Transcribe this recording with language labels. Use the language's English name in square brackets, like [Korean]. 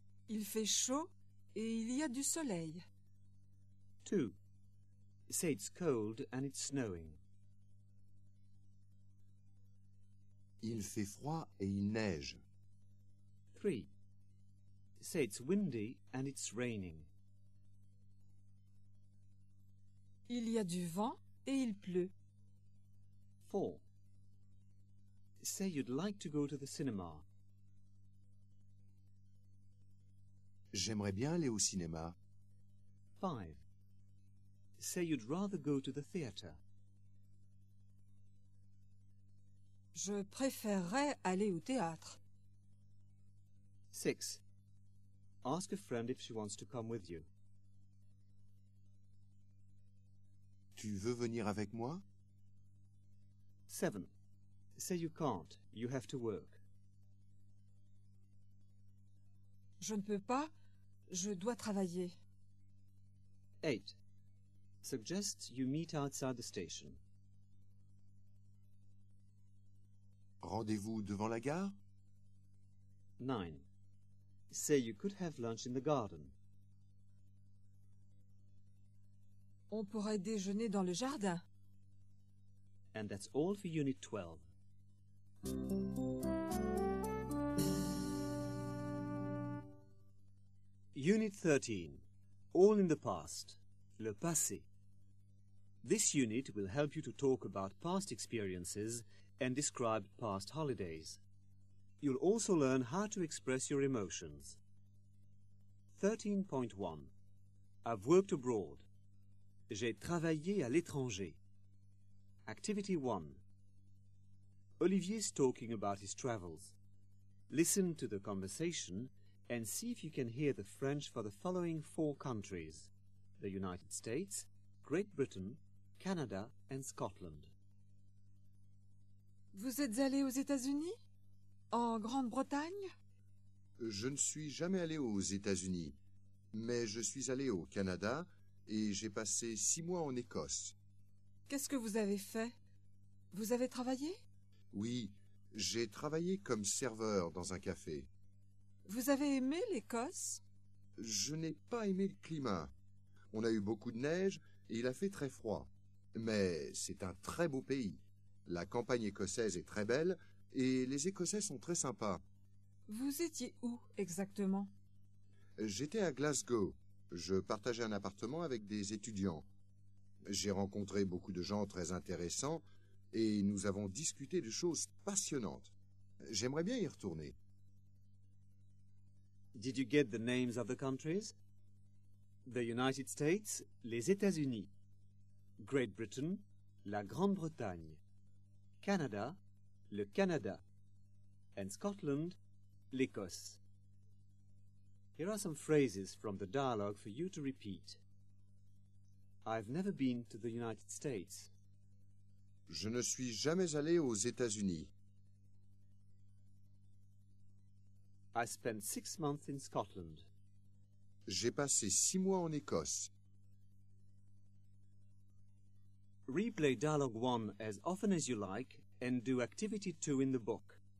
[French] Il fait chaud et il y a du soleil. [English] 2. Say it's cold and it's snowing. [French] Il fait froid et il neige. [English] 3. Say it's windy and it's raining. [French] Il y a du vent et il pleut. [English] 4. Say you'd like to go to the cinema. [French] J'aimerais bien aller au cinéma. [English] 5. Say you'd rather go to the theater. [French] Je préférerais aller au théâtre. [English] 6. Ask a friend if she wants to come with you. [French] Tu veux venir avec moi? [English] 7. Say you can't, you have to work. [French] Je ne peux pas, je dois travailler. [English] 8. Suggest you meet outside the station. [French] Rendez-vous devant la gare? [English] 9. Say you could have lunch in the garden. [French] On pourrait déjeuner dans le jardin. [English] And that's all for Unit 12. Unit 13. All in the past. [French] Le passé. [English] This unit will help you to talk about past experiences and describe past holidays. You'll also learn how to express your emotions. 13.1. I've worked abroad. [French] J'ai travaillé à l'étranger. [English] Activity 1. Olivier's talking about his travels. Listen to the conversation and see if you can hear the French for the following four countries: the United States, Great Britain, Canada and Scotland. [French] Vous êtes allé aux États-Unis? En Grande-Bretagne? Je ne suis jamais allé aux États-Unis, mais je suis allé au Canada et j'ai passé 6 mois en Écosse. Qu'est-ce que vous avez fait? Vous avez travaillé? Oui, j'ai travaillé comme serveur dans un café. Vous avez aimé l'Écosse? Je n'ai pas aimé le climat. On a eu beaucoup de neige et il a fait très froid. Mais c'est un très beau pays. La campagne écossaise est très belle. Et les Écossais sont très sympas. Vous étiez où exactement? J'étais à Glasgow. Je partageais un appartement avec des étudiants. J'ai rencontré beaucoup de gens très intéressants et nous avons discuté de choses passionnantes. J'aimerais bien y retourner. [English] Did you get the names of the countries? The United States, [French] les États-Unis. [English] Great Britain, [French] la Grande-Bretagne. [English] Canada, [French] le Canada, [English] and Scotland, [French] l'Écosse. [English] Here are some phrases from the dialogue for you to repeat. I've never been to the United States. [French] Je ne suis jamais allé aux États-Unis. [English] I spent 6 months in Scotland. [French] J'ai passé 6 mois en Écosse. [English] Replay dialogue 1 as often as you like and do activity 2 in the book.